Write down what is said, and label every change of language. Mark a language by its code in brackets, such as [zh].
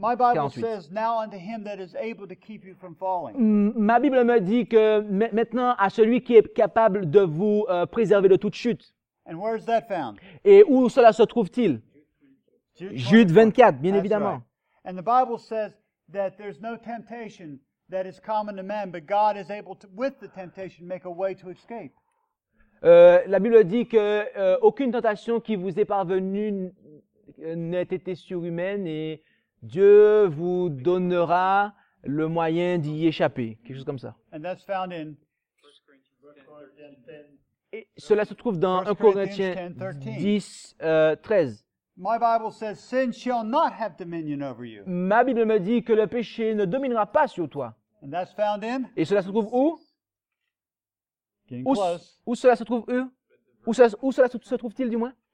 [en] My Bible says, now unto him that is able to keep you from falling. [fr] Ma Bible me dit que maintenant à celui qui est capable de vous préserver de toute chute. [en] And where is that found? [fr] Et où cela se trouve-t-il? [en] Jude [fr] 24, bien évidemment. [en] Right. And the Bible says that there's no temptation that is common to man, but God is able to, with the temptation, make a way to escape. [fr] La Bible dit que aucune tentation qui vous est parvenue n'ait été surhumaine et Dieu vous donnera le moyen d'y échapper, quelque chose comme ça. [en] And that's found in. [fr] Et cela se trouve dans 1 Corinthiens 10, 13. [en] My Bible says sin shall not have dominion over you. [fr] Ma Bible me dit que le péché ne dominera pas sur toi. [en] And that's found in. [fr] Et cela se trouve où? [en] Getting close. [fr] Où cela se trouve où? Où cela se trouve-t-il du moins?